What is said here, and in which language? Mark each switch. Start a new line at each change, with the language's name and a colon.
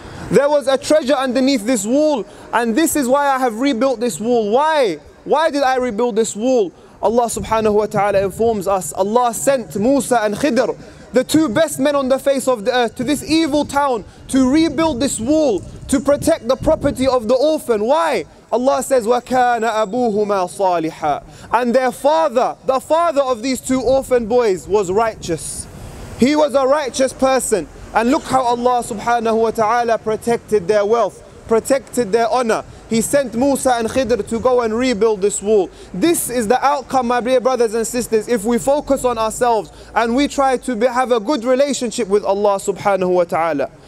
English: There was a treasure underneath this wall, and this is why I have rebuilt this wall. Why? Why did I rebuild this wall? Allah subhanahu wa ta'ala informs us, Allah sent Musa and Khidr, the two best men on the face of the earth, to this evil town to rebuild this wall, to protect the property of the orphan. Why? Allah says,
Arabic: وَكَانَ أَبُوهُمَا صَالِحًا.
English: And their father, the father of these two orphan boys, was righteous. He was a righteous person. And look how Allah subhanahu wa ta'ala protected their wealth, protected their honor. He sent Musa and Khidr to go and rebuild this wall. This is the outcome, my dear brothers and sisters, if we focus on ourselves and we try to have a good relationship with Allah subhanahu wa ta'ala.